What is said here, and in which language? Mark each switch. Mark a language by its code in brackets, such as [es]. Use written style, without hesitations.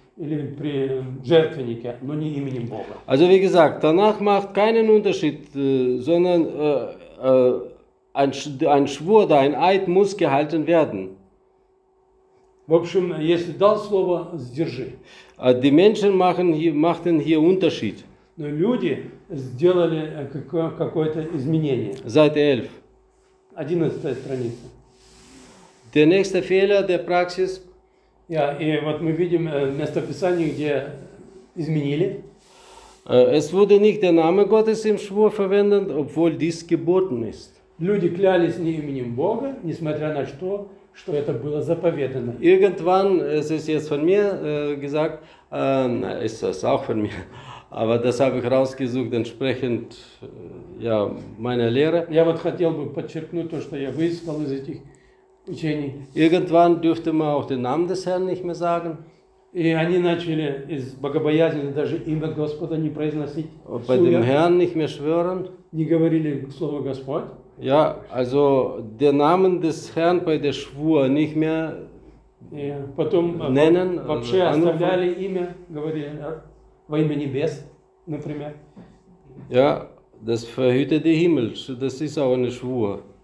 [ru] Или при жертвеннике, но не именем Бога. [de] Also wie gesagt, Tanach macht keinen Unterschied, sondern ein Schwur oder ein Eid muss gehalten werden. [ru] В общем, если дал слово, сдержи. [de] Die Menschen machten hier Unterschied. [ru] Но люди сделали какое-то изменение. [de] Seite 11. [ru] 11 страница. [de] Der nächste Fehler der Praxis. [ru] Ja, и вот мы видим местописание, где изменили. [de] Es wurde nicht der Name Gottes im Schwur verwendet, obwohl dies geboten ist. [ru] Люди клялись не именем Бога, несмотря на то, что это было заповедано. [de] Irgendwann, es ist jetzt von mir gesagt, ist das auch von mir, aber das habe ich rausgesucht, entsprechend ja, meiner Lehre. [ru] Я вот хотел бы подчеркнуть то, что я выискал из этих... Учений. [de] Irgendwann dürfte man auch den Namen des Herrn nicht mehr sagen. [ru] И они начали из богобоязни даже имя Господа не произносить. [de] Bei dem Herrn nicht mehr schwören. [ru] Не говорили слово Господь. [de] Ja, also den Namen des Herrn bei der Schwur nicht mehr [ru] потом, [de] nennen. [ru] Вообще оставляли имя, говорили во имя небес, например. [de] Ja, das verhüte der Himmel, das ist auch eine Schwur.